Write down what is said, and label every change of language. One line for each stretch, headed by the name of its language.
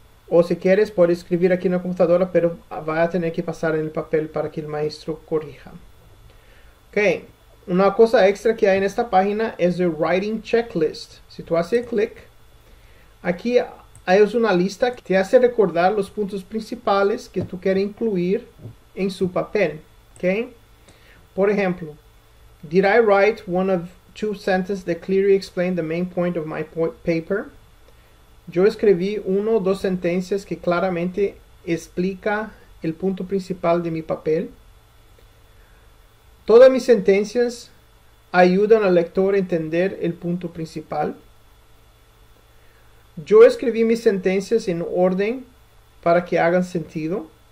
Spanish: O si quieres, puedes escribir aquí en la computadora, pero va a tener que pasar en el papel para que el maestro corrija. Ok, una cosa extra que hay en esta página es el Writing Checklist. Si tú haces clic, aquí hay una lista que te hace recordar los puntos principales que tú quieres incluir en su papel, ¿ok? Por ejemplo,
English: did I write one of two sentences that clearly explain the main point of my paper?
Spanish: Yo escribí uno o dos sentencias que claramente explica el punto principal de mi papel. Todas mis sentencias ayudan al lector a entender el punto principal. Yo escribí mis sentencias en orden para que hagan sentido.